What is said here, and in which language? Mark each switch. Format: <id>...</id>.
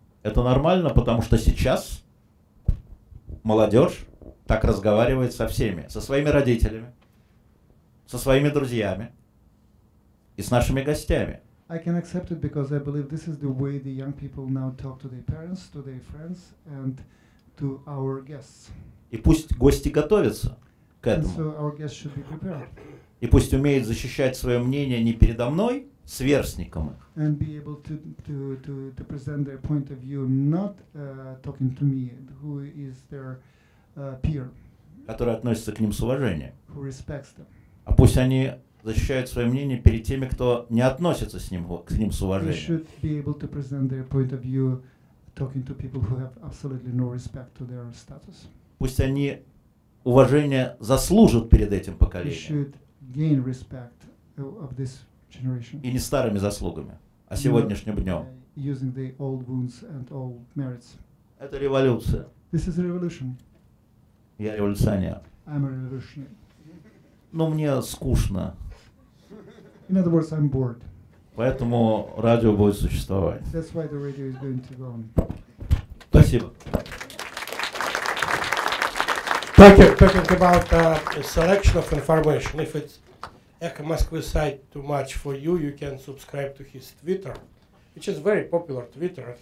<ru>Это нормально, потому что сейчас молодежь так разговаривает со всеми, со своими родителями, со своими друзьями и с нашими гостями.</ru> <en>I can accept it because I believe this is the way the young people now talk to their parents, to their friends and to our guests.</en> <ru>И пусть гости готовятся к этому.</ru> <en>And so our guests should be prepared.</en> <ru>И пусть умеют защищать свое мнение не передо мной, с сверстником их.</ru> <en>And be able to present their point of view, not talking to me, who is their peer.</en> <ru>Который относится к ним с уважением.</ru> <en>Who respects them.</en> <ru>А пусть они защищают свое мнение перед теми, кто не относится к ним с уважением.</ru> <en>They should be able to present their point of view, talking to people who have absolutely no respect to their status.</en> <ru>Пусть они уважение заслужат перед этим поколением.</ru> <en>They should gain respect of this generation.</en> <ru>И не старыми заслугами, а сегодняшним днем.</ru> <en>Using the old wounds and old merits.</en> <ru>Это революция.</ru> <en>This is a revolution.</en> <ru>Я революционер.</ru> <en>I'm a revolutionary.</en> <ru>Но мне скучно.</ru> <en>In other words, I'm bored.</en> <ru>Поэтому радио будет существовать.</ru> <en>That's why the radio is going to go on.</en> <ru>Спасибо.</ru> <en>Talking about the selection of information, if it's Echo Moscow site too much for you, you can subscribe to his Twitter, which is very popular Twitter.</en>